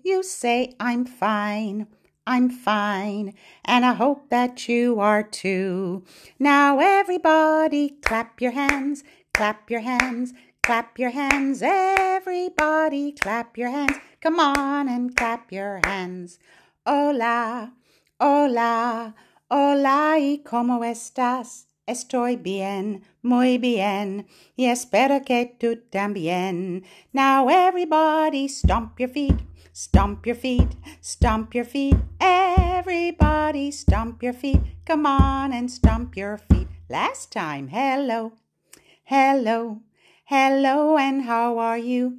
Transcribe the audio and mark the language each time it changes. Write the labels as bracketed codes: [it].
[en] You say, I'm fine, and I hope that you are too. Now everybody clap your hands, everybody clap your hands. Come on and clap your hands. [es] Hola, hola, hola y cómo estás? Estoy bien, muy bien, y espero que tú también. [en] Now everybody stomp your feet, stomp your feet, stomp your feet. Everybody stomp your feet, come on and stomp your feet. Last time, hello, hello, hello, and how are you?